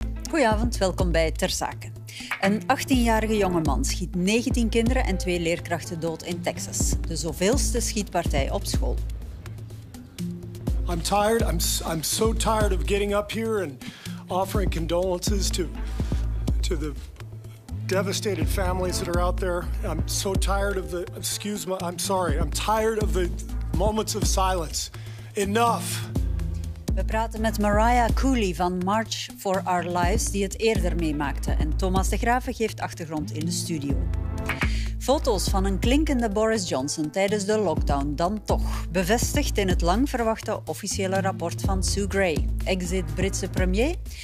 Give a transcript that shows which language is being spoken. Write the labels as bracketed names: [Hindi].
[Dutch] Goedenavond, welkom bij Ter Zake. Een 18-jarige jonge man schiet 19 kinderen en 2 leerkrachten dood in Texas. De zoveelste schietpartij op school. [English] I'm tired. I'm so tired of getting up here and offering condolences to the devastated families that are out there. I'm so tired of the I'm tired of the moments of silence. Enough. [Dutch] We praten met Mariah Cooley van March for Our Lives, die het eerder meemaakte. En Thomas de Grave geeft achtergrond in de studio. Foto's van een klinkende Boris Johnson tijdens de lockdown dan toch. Bevestigd in het lang verwachte officiële rapport van Sue Gray, exit Britse premier.